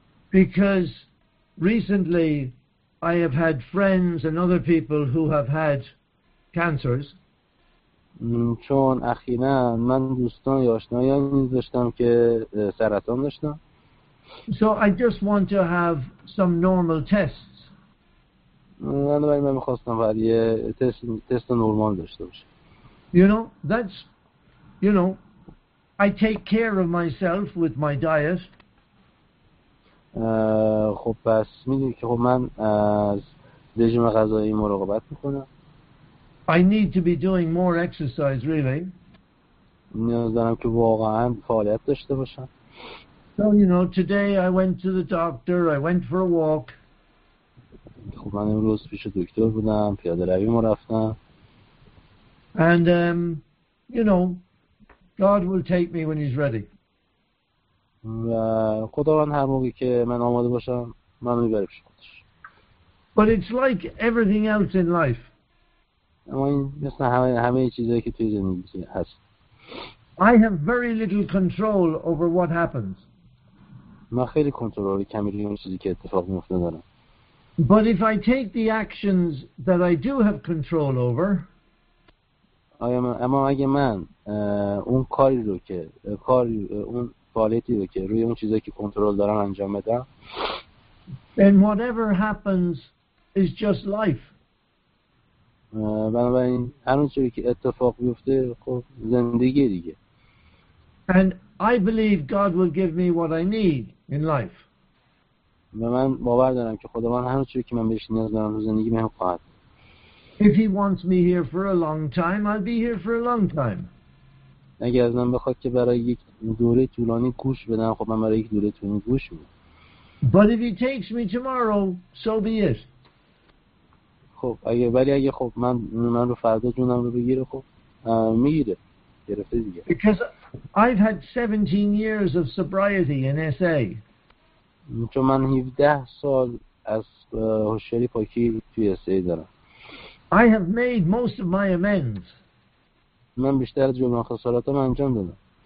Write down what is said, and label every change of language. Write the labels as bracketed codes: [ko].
[en] Because recently I have had friends and other people who have had cancers. [fa] چون اخیرا من دوستان یا آشنایانی داشتم که سرطان داشتن. [en] So I just want to have some normal tests. [fa] من می‌خواستم برای تست نرمال داشته باشم. [en] You know, I take care of myself with my diet. [fa] خب پس می‌دونی که خب من از رژیم غذایی مراقبت می‌کنم. [en] I need to be doing more exercise, really. [fa] نیاز دارم که واقعا فعالیت داشته باشم. [en] So, you know, today I went to the doctor, I went for a walk. [fa] خب من امروز پیش دکتر بودم، پیاده روی رفتم. [en] And, you know, God will take me when he's ready. [fa] و خداوند هر موقعی که من آماده باشم، من میبره پیش خودش. [en] But it's like everything else in life. [fa] اما این مثل همه چیزهایی که توی زندگی هست. [en] I have very little control over what happens. [fa] من خیلی کنترل کمی روی چیزی که اتفاق میفته دارم. [en] But if I take the actions that I do have control over, [fa] اما اگه من اون کاری رو که کاری اون فعالیتی رو که روی اون چیزایی که کنترل دارم انجام بدم, [en] then whatever happens is just life. [fa] بنابراین هر اون چیزی که اتفاق بیفته خب زندگی دیگه. [en] And I believe God will give me what I need in life. [fa] و من باور دارم که خداوند هر اون چیزی که من بهش نیاز دارم رو زندگی من خواهد. [en] If he wants me here for a long time, I'll be here for a long time. [fa] اگه از من بخواد که برای یک دوره طولانی گوش بدم, خب من برای یک دوره طولانی گوش میدم. [en] But if he takes me tomorrow, so be it. [fa] خب اگه ولی اگه خب من رو فردا جونم رو بگیره خب میگیره. گرفته دیگه. [en] Because I've had 17 years of sobriety in SA. [fa] چون من 17 سال از هوشیاری پاکی توی SA دارم. [en] I have made most of my amends. [fa] من بیشتر جبران خسارتام انجام دادم.